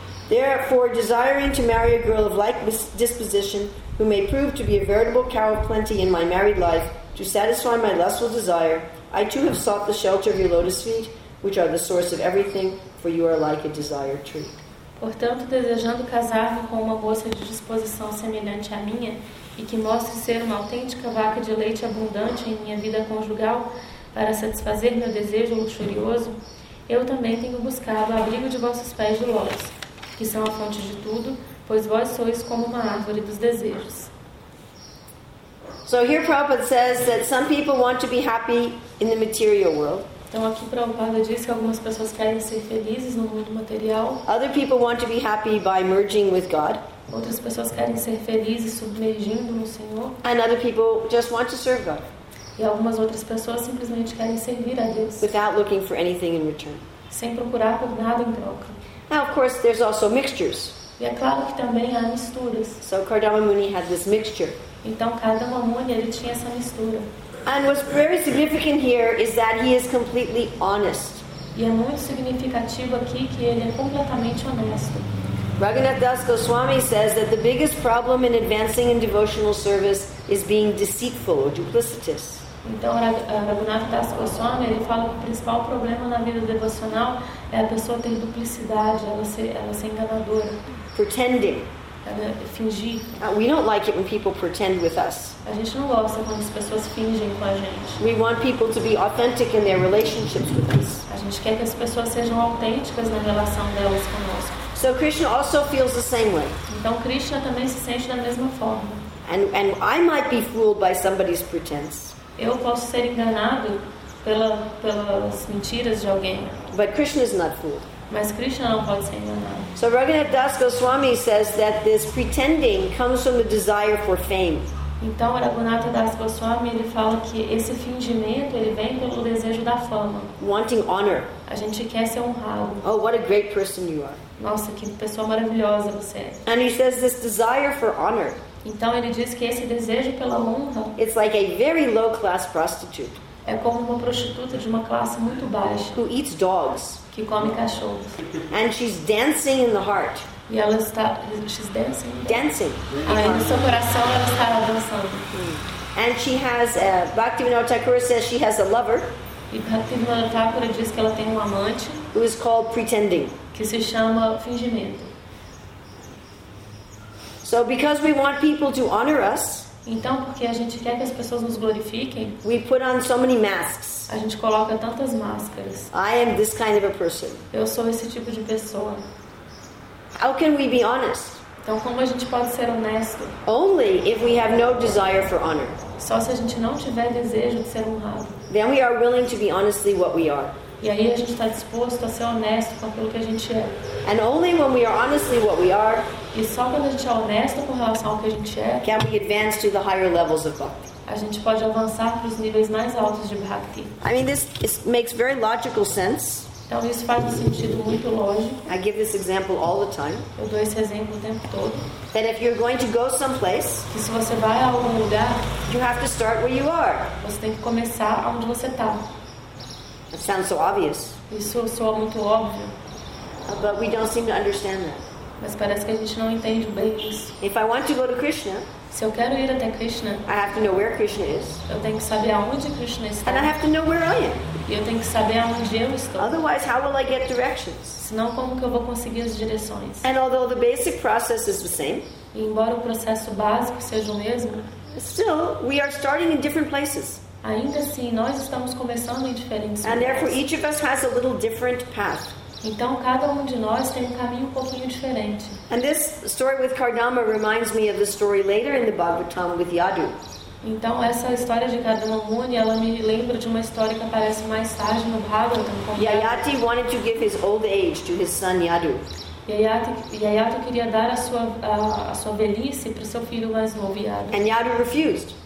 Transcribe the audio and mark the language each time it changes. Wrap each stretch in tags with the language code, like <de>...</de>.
<en>Therefore, desiring to marry a girl of like disposition who may prove to be a veritable cow of plenty in my married life, to satisfy my lustful desire, I too have sought the shelter of your lotus feet, which are the source of everything, for you are like a desire tree.</en> <pt>Portanto, desejando casar-me com uma moça de disposição semelhante à minha e que mostre ser uma autêntica vaca de leite abundante em minha vida conjugal para satisfazer meu desejo luxurioso, eu também tenho buscado abrigo de vossos pés de lótus, que são a fonte de tudo, pois vós sois como uma árvore dos desejos.</pt> <en>So here Prabhupada says that some people want to be happy in the material world.</en> <pt>Então aqui Prabhupada diz que algumas pessoas querem ser felizes no mundo material.</pt> <en>Other people want to be happy by merging with God.</en> <pt>Outras pessoas querem ser felizes submergindo no Senhor.</pt> <en>And other people just want to serve God.</en> <pt>E algumas outras pessoas simplesmente querem servir a Deus.</pt> <en>Without looking for anything in return.</en> <pt>Sem procurar por nada em troca.</pt> <en>Now, of course, there's also mixtures.</en> <pt>E é claro que também há misturas.</pt> <en>So Kardama Muni had this mixture.</en> <pt>Então, Kardama Muni, ele tinha essa mistura.</pt> <en>And what's very significant here is that he is completely honest.</en> <pt>E é muito significativo aqui que ele é completamente honesto.</pt> <en>Raghunath Das Goswami says that the biggest problem in advancing in devotional service is being deceitful or duplicitous.</en> <pt>Então, Raghunath Das Goswami, ele fala que o principal problema na vida devocional é a pessoa ter duplicidade, ela ser enganadora.</pt> <en>Pretending.</en> <pt>Fingir.</pt> <en>We don't like it when people pretend with us.</en> <pt>A gente não gosta quando as pessoas fingem com a gente.</pt> <en>We want people to be authentic in their relationships with us.</en> <pt>A gente quer que as pessoas sejam autênticas na relação delas conosco.</pt> <en>So Krishna also feels the same way.</en> <pt>Então, Krishna também se sente da mesma forma.</pt> <en>And I might be fooled by somebody's pretense.</en> <pt>Eu posso ser enganado pelas mentiras de alguém.</pt> <en>But Krishna is not fooled.</en> <pt>Mas Krishna não pode ser enganado.</pt> <en>So Raghunath Das Goswami says that this pretending comes from the desire for fame.</en> <pt>Então Raghunath Das Goswami, ele fala que esse fingimento, ele vem pelo desejo da fama.</pt> <en>Wanting honor.</en> <pt>A gente quer ser honrado.</pt> <en>Oh, what a great person you are.</en> <pt>Nossa, que pessoa maravilhosa você é.</pt> <en>And he says this desire for honor.</en> <pt>Então ele diz que esse desejo pela honra,</pt> <en>it's like a very low class prostitute.</en> <pt>É como uma prostituta de uma classe muito baixa.</pt> <en>Who eats dogs.</en> <pt>Que come cachorros.</pt> <en>And she's dancing in the heart.</en> <pt>E ela está,</pt> <en>she's dancing. Dancing.</en> <pt>Aí no seu coração ela está dançando.</pt> <en>And she has a, Bhaktivinoda Thakura says she has a lover.</en> <pt>E Bhaktivinoda Thakura diz que ela tem um amante.</pt> <en>Who is called pretending.</en> <pt>Que se chama fingimento.</pt> <en>So because we want people to honor us,</en> <pt>então porque a gente quer que as pessoas nos glorifiquem,</pt> <en>we put on so many masks.</en> <pt>A gente coloca tantas máscaras.</pt> <en>I am this kind of a person.</en> <pt>Eu sou esse tipo de pessoa.</pt> <en>How can we be honest?</en> <pt>Então como a gente pode ser honesto?</pt> <en>Only if we have no desire for honor.</en> <pt>Só se a gente não tiver desejo de ser honrado.</pt> <en>Then we are willing to be honestly what we are.</en> <pt>E aí a gente está disposto a ser honesto com aquilo que a gente é.</pt> <en>And only when we are honestly what we are,</en> <pt>e só quando a gente é honesto com relação ao que a gente é,</pt> <en>can we advance to the higher levels of bhakti.</en> <pt>A gente pode avançar para os níveis mais altos de bhakti.</pt> <en>I mean, this makes very logical sense.</en> <pt>Então isso faz um sentido muito lógico.</pt> <en>I give this example all the time.</en> <pt>Eu dou esse exemplo o tempo todo.</pt> <en>That if you're going to go someplace,</en> <pt>que se você vai a algum lugar,</pt> <en>you have to start where you are.</en> <pt>Você tem que começar onde você está.</pt> <en>That sounds so obvious.</en> <pt>Isso soa muito óbvio.</pt> <en>But we don't seem to understand that.</en> <pt>Mas parece que a gente não entende bem isso.</pt> <en>If I want to go to Krishna,</en> <pt>se eu quero ir até Krishna,</pt> <en>I have to know where Krishna is.</en> <pt>Eu tenho que saber aonde Krishna está.</pt> <en>And I have to know where I am.</en> <pt>eu tenho que saber aonde eu estou.</pt> <en>Otherwise, how will I get directions?</en> <pt>Senão, como que eu vou conseguir as direções?</pt> <en>And although the basic process is the same,</en> <pt>embora o processo básico seja o mesmo,</pt> <en>still, we are starting in different places.</en> <pt>Ainda assim, nós estamos começando em diferentes lugares.</pt> <en>And therefore, each of us has a little different path.</en> <pt>Então, cada de nós tem caminho um pouquinho diferente.</pt> <en>And this story with Kardama reminds me of the story later in the Bhagavatam with Yadu.</en> <pt>Então, essa história de Kardama Muni, ela me lembra de uma história que aparece mais tarde no Bhagavatam.</pt> <en>Yayati wanted to give his old age to his son Yadu.</en> <pt>Yayati queria dar a sua velhice para o seu filho mais novo, Yadu.</pt> <en>And Yadu refused.</en>